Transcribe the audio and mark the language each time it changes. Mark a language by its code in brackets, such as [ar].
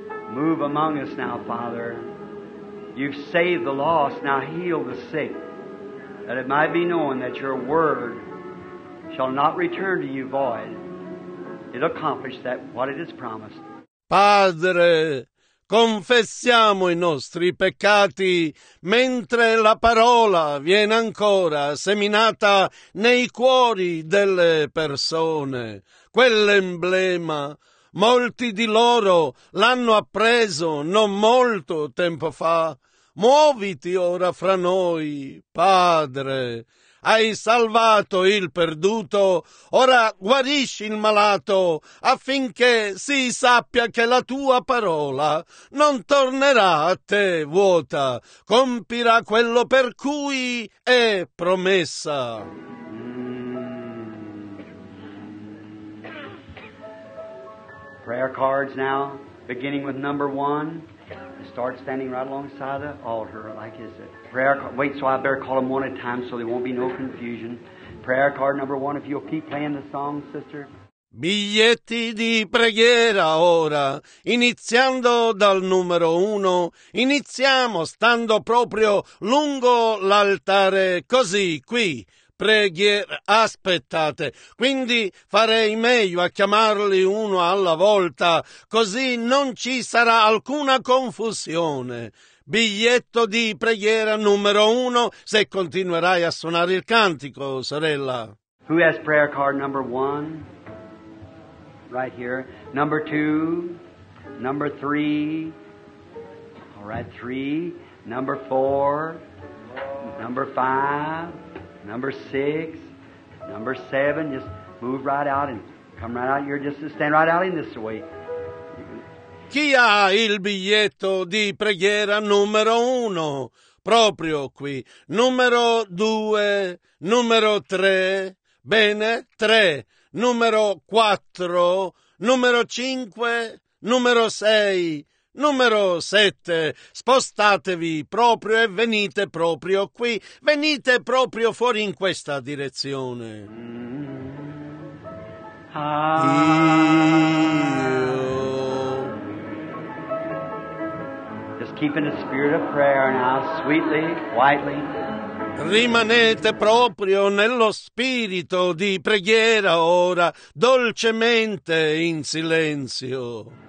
[en] Move among us now, Father. You've saved the lost, now heal the sick, that it might be known that your word shall not return to you void. It accomplished that what it has promised. [it] Padre, confessiamo i nostri peccati mentre la parola viene ancora seminata nei cuori delle persone. Quell'emblema, molti di loro l'hanno appreso non molto tempo fa. Muoviti ora fra noi, Padre. Hai salvato il perduto, ora guarisci il malato affinché si sappia che la tua parola non tornerà a te vuota, compirà quello per cui è promessa. [en] Prayer cards now, beginning with number one. Start standing right alongside the altar, like is it? Prayer card. Wait, so I better call them one at a time so there won't be no confusion. Prayer card number one, if you'll keep playing the song, sister. [it] Biglietti di preghiera ora, iniziando dal numero uno, iniziamo stando proprio lungo l'altare, così, qui. Preghiera, aspettate, quindi farei meglio a chiamarli uno alla volta, così non ci sarà alcuna confusione. Biglietto di preghiera numero uno, se continuerai a suonare il cantico, sorella. [en] Who has prayer card number one? Right here. Number two. Number three. All right, three. Number four. Number five. Number six, number seven, just move right out and come right out. You're just stand right out in this way. [it] Chi ha il biglietto di preghiera numero uno? Proprio qui. Numero due, numero tre, bene, tre. Numero quattro, numero cinque, numero sei. Numero 7, spostatevi proprio e venite proprio qui, venite proprio fuori in questa direzione. Io. [en] Just keeping the spirit of prayer now, sweetly, quietly. [it] Rimanete proprio nello spirito di preghiera ora, dolcemente in silenzio.